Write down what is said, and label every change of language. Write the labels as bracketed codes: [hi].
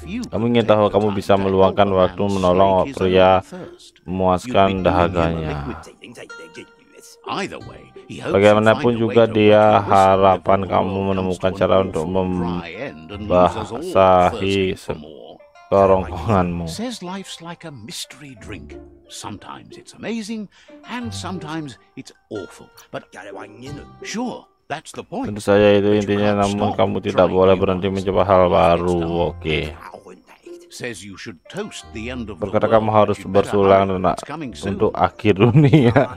[id] Kamu ingin tahu kamu bisa meluangkan waktu menolong pria memuaskan dahaganya. Bagaimanapun juga dia harapan kamu menemukan cara untuk membasahi kerongkonganmu. [en] Says life's like a mystery drink. Sometimes it's amazing and sometimes it's awful. But sure, that's the point. [id] Tentu saja itu intinya, namun kamu tidak boleh berhenti mencoba hal baru. Oke. [en] Says you should toast the end of. [id] Berkata kamu harus bersulang untuk akhir dunia.